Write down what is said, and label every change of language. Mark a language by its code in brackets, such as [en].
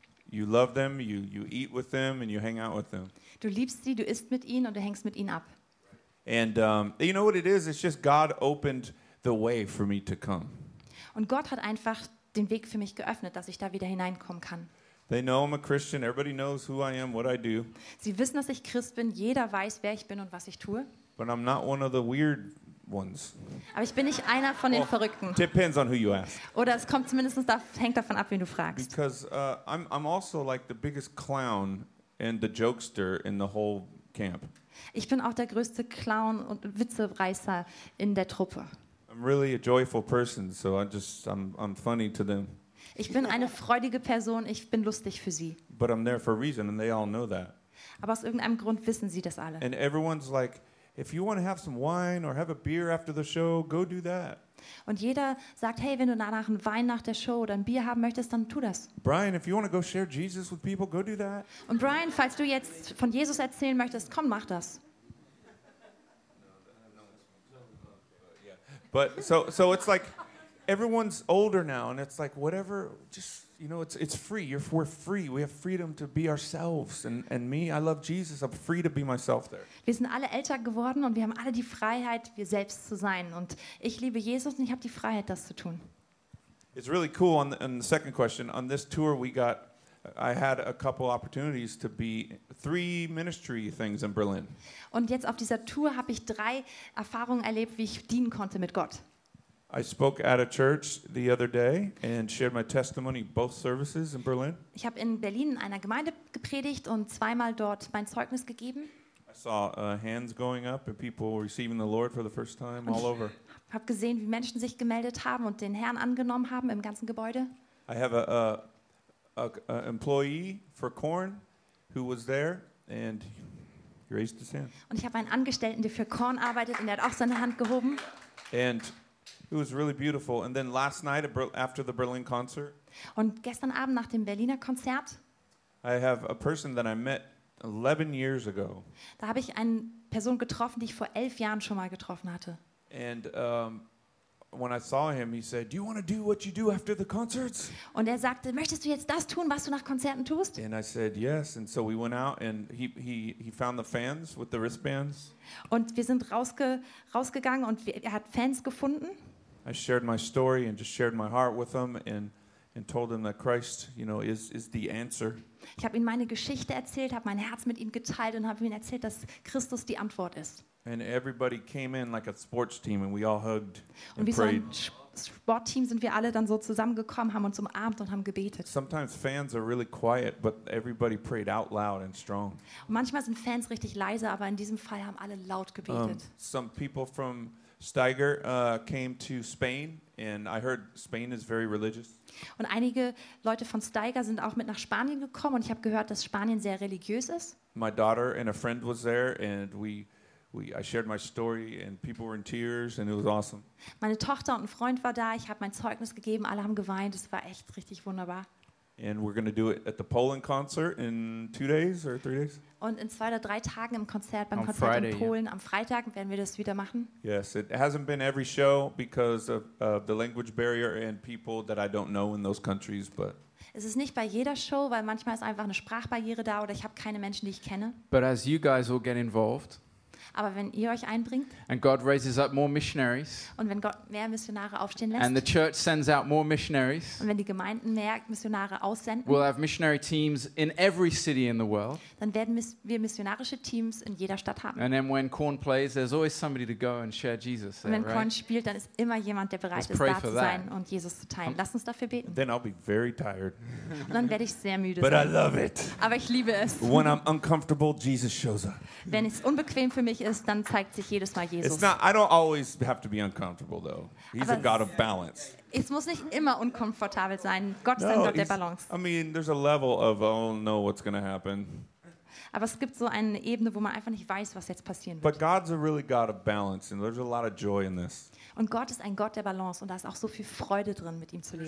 [en] You love them, you eat with them, and you hang out with them. [de] Du liebst sie, du isst mit ihnen und du hängst mit ihnen ab. [en] And you know what it is? It's just God opened the way for me to come. [de] Und Gott hat einfach den Weg für mich geöffnet, dass ich da wieder hineinkommen kann. [en] They know I'm a Christian. Everybody knows who I am, what I do. [de] Sie wissen, dass ich Christ bin. Jeder weiß, wer ich bin und was ich tue. [en] But I'm not one of the weird ones. [de] Aber ich bin nicht einer von den Verrückten. [en] Depends on who you ask. [de] Oder es kommt zumindest hängt davon ab, wen du fragst. [en] Because I'm also like the biggest clown and the jokester in the whole camp. [de] Ich bin auch der größte Clown und Witzereißer in der Truppe. [en] I'm really a joyful person, so I'm funny to them. [de] Ich bin eine freudige Person, ich bin lustig für sie. [en] But I'm there for a reason and they all know that. [de] Aber aus irgendeinem Grund wissen sie das alle. [en] And everyone's like, if you want to have some wine or have a beer after the show, go do that. [de] Und jeder sagt, hey, wenn du danach einen Wein nach der Show oder ein Bier haben möchtest, dann tu das. [en] Brian, if you want to go share Jesus with people, go do that. [de] Und Brian, falls du jetzt von Jesus erzählen möchtest, komm, mach das. [en] But so it's like everyone's older now and it's like whatever, just, you know, it's free. We're free. We have freedom to be ourselves. And me, I love Jesus. I'm free to be myself there. [de] Wir sind alle älter geworden und wir haben alle die Freiheit, wir selbst zu sein. Und ich liebe Jesus und ich habe die Freiheit, das zu tun. [en] It's really cool. On the second question, on this tour, I had a couple opportunities to be three ministry things in Berlin. [de] Und jetzt auf dieser Tour habe ich drei Erfahrungen erlebt, wie ich dienen konnte mit Gott. [en] I spoke at a church the other day and shared my testimony both services in Berlin. [de] Ich habe in Berlin in einer Gemeinde gepredigt und zweimal dort mein Zeugnis gegeben. [en] I saw hands going up and people receiving the Lord for the first time all over. [de] Ich habe gesehen, wie Menschen sich gemeldet haben und den Herrn angenommen haben im ganzen Gebäude. [en] I have a employee for Korn who was there and he raised his hand. [de] Und ich habe einen Angestellten, der für Korn arbeitet, und er hat auch seine Hand gehoben. [en] And it was really beautiful. And then last night, after the Berlin concert, [de] und gestern Abend nach dem Berliner Konzert, [en] I have a person that I met 11 years ago. [de] Da habe ich eine Person getroffen, die ich vor 11 Jahren schon mal getroffen hatte. [en] And when I saw him, he said, "Do you want to do what you do after the concerts?" [de] Und er sagte, möchtest du jetzt das tun, was du nach Konzerten tust? [en] And I said, "Yes." And so we went out, and he found the fans with the wristbands. [de] Und wir sind rausgegangen, und er hat Fans gefunden. [en] I shared my story and just shared my heart with him and told him that Christ, you know, is the answer. [de] Ich habe ihm meine Geschichte erzählt, habe mein Herz mit ihm geteilt und habe ihm erzählt, dass Christus die Antwort ist. [en] And everybody came in like a sports team and we all hugged [de] und [en] and prayed. [de] Und wie so ein Sportteam sind wir alle dann so zusammengekommen, haben uns umarmt und haben gebetet. [en] Sometimes fans are really quiet, but everybody prayed out loud and strong. [de] Und manchmal sind Fans richtig leise, aber in diesem Fall haben alle laut gebetet. [en] Some people from Steiger came to Spain, and I heard Spain is very religious. [de] Und einige Leute von Steiger sind auch mit nach Spanien gekommen, und ich habe gehört, dass Spanien sehr religiös ist. [en] My daughter and a friend was there, and I shared my story, and people were in tears, and it was awesome. [de] Meine Tochter und ein Freund war da. Ich habe mein Zeugnis gegeben. Alle haben geweint. Es war echt richtig wunderbar. [en] And we're going to do it at the Poland concert in 2 days or 3 days. [de] Und in 2 oder 3 Tagen im Konzert, beim Konzert Friday, in Polen, yeah. Am Freitag werden wir das wieder machen. [en] Yes, it hasn't been every show because of the language barrier and people that I don't know in those countries, but [de] es ist nicht bei jeder Show, weil manchmal ist einfach eine Sprachbarriere da oder ich habe keine Menschen, die ich kenne. [en] But as you guys will get involved, [de] aber wenn ihr euch einbringt, [en] and God raises up more missionaries, [de] und wenn Gott mehr Missionare aufstehen lässt, [en] and the church sends out more missionaries, [de] und wenn die Gemeinden mehr Missionare aussenden, [en] we'll have missionary teams in every city in the world, [de] dann werden wir missionarische Teams in jeder Stadt haben. [en] And then when Korn plays, there's always somebody to go and share Jesus. [de] Und wenn [en] there, right? [de] Korn spielt, dann ist immer jemand, der bereit Let's ist, da zu that. Sein und Jesus zu teilen. Lass uns dafür beten. [en] Then I'll be very tired. [de] Und dann werde ich sehr müde [en] But [de] sein. [en] I love it. [de] Aber ich liebe es. [en] When I'm uncomfortable, Jesus shows up. [de] Wenn es unbequem für mich ist, dann zeigt sich jedes Mal Jesus. [en] It's not, I don't always have to be uncomfortable though. He's aber a God of balance. [de] Es muss nicht immer unkomfortabel sein. Gott ist ein Gott der Balance. [en] I mean, there's a level of I don't know what's going to happen. [de] Aber es gibt so eine Ebene, wo man einfach nicht weiß, was jetzt passieren wird. [en] But God's a really God of balance and there's a lot of joy in this. [de] Und Gott ist ein Gott der Balance und da ist auch so viel Freude drin, mit ihm zu leben.